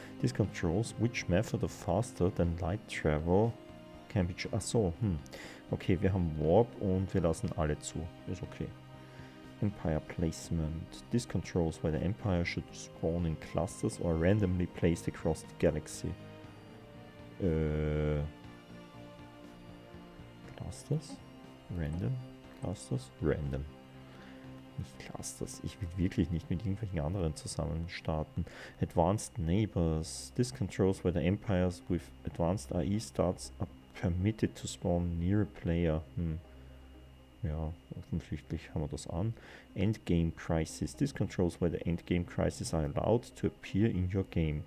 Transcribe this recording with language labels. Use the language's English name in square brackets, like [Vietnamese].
[English] This controls which method of faster than light travel can be. [German] Achso, okay, wir haben Warp und wir lassen alle zu. Ist okay. [English] Empire Placement. This controls whether Empire should spawn in clusters or randomly placed across the galaxy. [German] Clusters? Random? Clusters? Random. Nicht Clusters. Ich will wirklich nicht mit irgendwelchen anderen zusammen starten. [English] Advanced Neighbors. This controls whether Empires with advanced AI starts are permitted to spawn near a player. [German] Ja, offensichtlich haben wir das an. Endgame Crisis. [English] This controls whether Endgame Crisis are allowed to appear in your game.